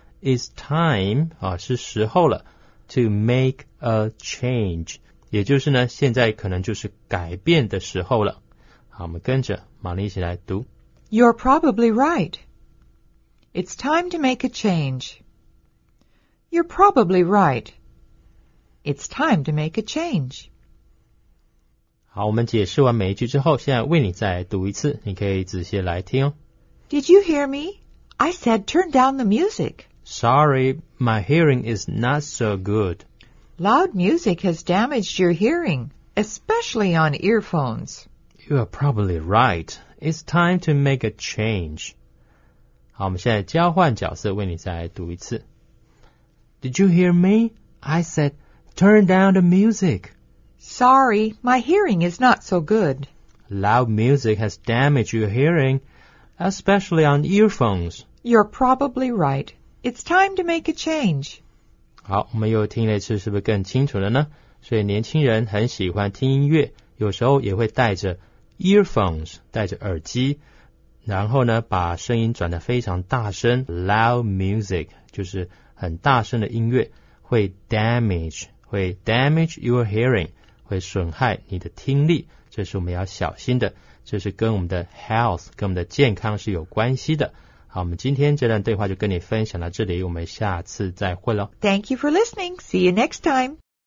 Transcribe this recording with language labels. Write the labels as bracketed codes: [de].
[en] It's time, [zh] 啊，是时候了 [en] to make a change, [zh] 也就是呢，现在可能就是改变的时候了。好，我们跟着玛丽一起来读。 [en] You're probably right. It's time to make a change. You're probably right. It's time to make a change. [zh] 好，我们解释完每一句之后，现在为你再读一次，你可以仔细来听哦。 [en] Did you hear me? I said turn down the music. Sorry, my hearing is not so good. Loud music has damaged your hearing, especially on earphones. You are probably right. It's time to make a change. [zh] 好，我们现在交换角色，为你再读一次。 [en] Did you hear me? I said, turn down the music. Sorry, my hearing is not so good. Loud music has damaged your hearing, especially on earphones. You're probably right. It's time to make a change. [zh] 好，我们又听了一次，是不是更清楚了呢？所以年轻人很喜欢听音乐，有时候也会戴着 earphones, 戴着耳机。然后呢，把声音转得非常大声 ，loud music 就是很大声的音乐，会 [en] damage your hearing， [zh] 会损害你的听力，这是我们要小心的，这是跟我们的 health 跟我们的健康是有关系的。好，我们今天这段对话就跟你分享到这里，我们下次再会咯。 [en] Thank you for listening. See you next time.